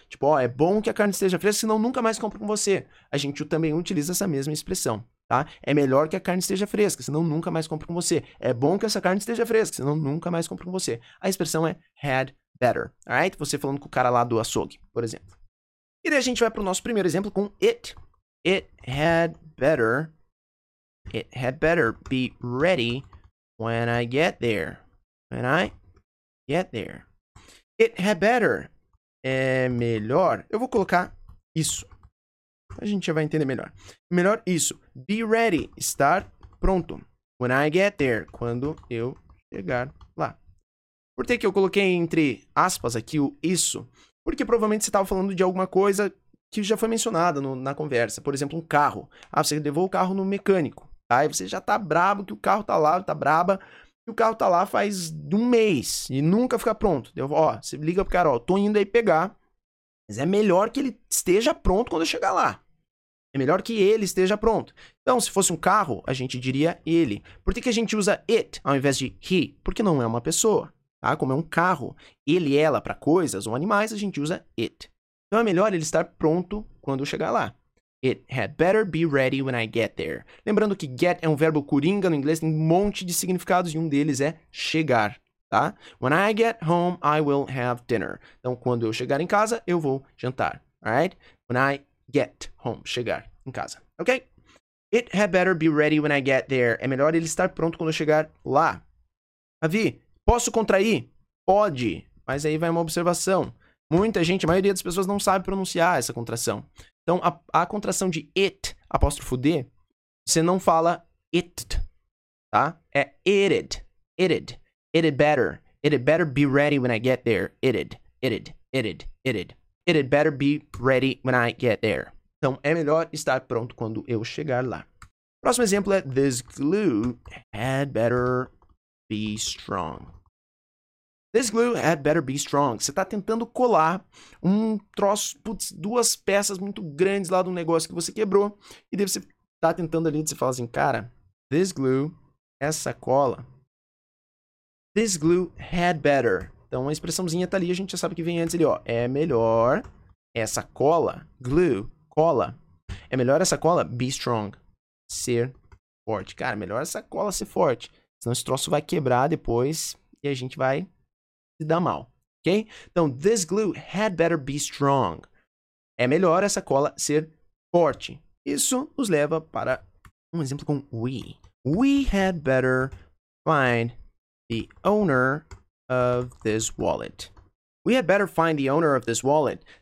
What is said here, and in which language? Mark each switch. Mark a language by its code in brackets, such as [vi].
[pt] Tipo, ó, é bom que a carne esteja fresca, senão nunca mais compro com você. A gente também utiliza essa mesma expressão, tá? É melhor que a carne esteja fresca, senão nunca mais compro com você. É bom que essa carne esteja fresca, senão nunca mais compro com você. A expressão é [en] had better, [pt] alright? Você falando com o cara lá do açougue, por exemplo. E daí a gente vai pro nosso primeiro exemplo com it. [en] It had better be ready when I get there. When I get there. It had better. [pt] É melhor. Eu vou colocar isso. A gente já vai entender melhor. Melhor isso. [en] Be ready. [pt] Estar pronto. [en] When I get there. [pt] Quando eu chegar lá. Por que eu coloquei entre aspas aqui o isso? Porque provavelmente você estava falando de alguma coisa que já foi mencionada na conversa. Por exemplo, um carro. Ah, você levou o carro no mecânico. Tá? E você já tá brabo que o carro tá lá, tá braba, e o carro tá lá faz um mês e nunca fica pronto. Ó, você liga pro cara, ó, tô indo aí pegar, mas é melhor que ele esteja pronto quando eu chegar lá. É melhor que ele esteja pronto. Então, se fosse um carro, a gente diria ele. Por que a gente usa it ao invés de he? Porque não é uma pessoa, tá? Como é um carro, ele e ela pra coisas ou animais, a gente usa it. Então, é melhor ele estar pronto quando eu chegar lá. [en] It had better be ready when I get there. [pt] Lembrando que get é um verbo coringa no inglês, tem um monte de significados e um deles é chegar, tá? [en] When I get home, I will have dinner. [pt] Então, quando eu chegar em casa, eu vou jantar, alright? [en] When I get home, [pt] chegar em casa, [en] ok? It had better be ready when I get there. [pt] É melhor ele estar pronto quando eu chegar lá. Ravi, posso contrair? Pode, mas aí vai uma observação. Muita gente, a maioria das pessoas não sabe pronunciar essa contração. Então, a contração de it, apóstrofo D, você não fala it, tá? [en] É it'd, it'd, it'd better, it'd better be ready when I get there, it'd, it'd, it'd, it'd, it'd better be ready when I get there. [pt] Então, é melhor estar pronto quando eu chegar lá. Próximo exemplo é [en] this glue had better be strong. This glue had better be strong. [pt] Você está tentando colar um troço, putz, duas peças muito grandes lá do negócio que você quebrou. E daí você está tentando ali, você fala assim, cara, this glue, essa cola, [en] this glue had better. [pt] Então, a expressãozinha está ali, a gente já sabe que vem antes ali, ó. É melhor essa cola, glue, cola, é melhor essa cola [en] be strong, [pt] ser forte. Cara, melhor essa cola ser forte, senão esse troço vai quebrar depois e a gente vai... se dá mal, ok? Então, [en] this glue had better be strong. [pt] É melhor essa cola ser forte. Isso nos leva para um exemplo com we. [en] We had better find the owner of this wallet. We had better find the owner of this wallet.